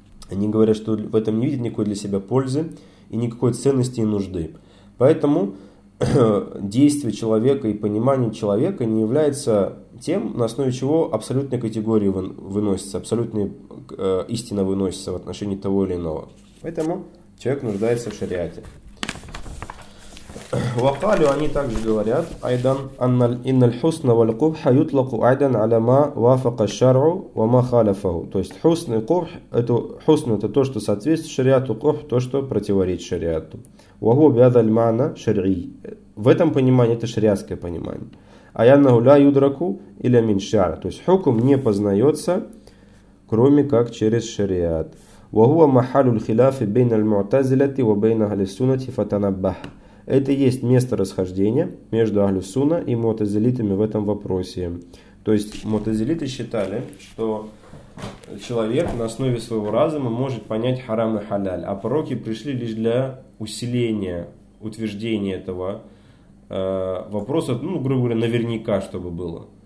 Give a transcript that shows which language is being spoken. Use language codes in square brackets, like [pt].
[ru] Они говорят, что в этом не видят никакой для себя пользы и никакой ценности и нужды. Поэтому действие человека и понимание человека не является тем, на основе чего абсолютная категория выносится, абсолютная истина выносится в отношении того или иного. Поэтому человек нуждается в шариате. [ar] وقالوا [ru] они также говорят [ar] أيضا أن إن الحسن والقبح يطلق أيضا على ما وافق الشرع وما خالفه. [ru] То есть حسن и قبح, это حسن это то, что соответствует шариату, قبح то, что противоречит шариату. [ar] وهو بهذا المعنى شرعي. [ru] В этом понимании это шариатское понимание. [ar] أيانه لا يدرك إلا من شرع. [ru] То есть حكم не познается, кроме как через шариат. [ar] وهو محل الخلاف بين المعتزلة وبين أهل السنة فتنبه. [ru] Это есть место расхождения между Ахлюссунна и Мутазилитами в этом вопросе. То есть Мутазилиты считали, что человек на основе своего разума может понять харам и халяль, а пророки пришли лишь для усиления, утверждения этого вопроса, ну, грубо говоря, наверняка, чтобы было.